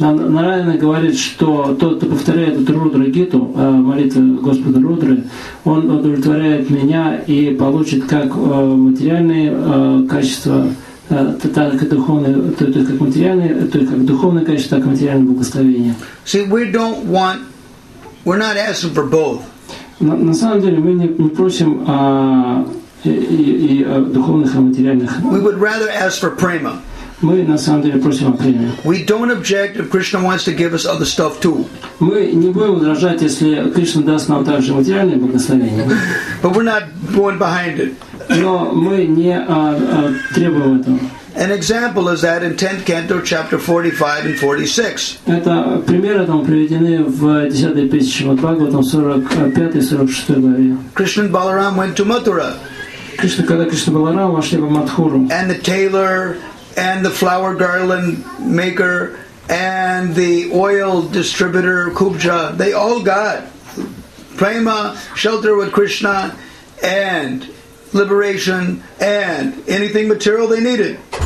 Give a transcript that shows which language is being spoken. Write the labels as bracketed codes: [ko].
[ru] Нараяна говорит, что тот, кто повторяет эту Рудра Гиту, молитву Господа Рудры, он удовлетворяет меня и получит как материальные качества, так и духовные, то как материальные, то как духовные качества, так и материальное благословение. [en] See, we don't want, we're not asking for both. [ru] На самом деле мы не просим и духовных, и материальных. [en] We would rather ask for prema. [ru] Мы на самом деле просим о преме. [en] We don't object if Krishna wants to give us other stuff too. [ru] Мы не будем возражать, если Кришна даст нам также материальные благословения. [en] But we're not going behind it. [ru] Но мы не требуем этого. [en] An example is that in 10th canto, chapter 45 and 46. [ru] Это пример этому приведены в 10-й песне Бхагаватам, 45-й и 46-й главе. [en] Krishna and Balaram went to Mathura. [ru] Когда Кришна и Баларам вошли в Матхуру. [en] And the tailor and the flower garland maker and the oil distributor Kubja, they all got prema, shelter with Krishna and liberation and anything material they needed.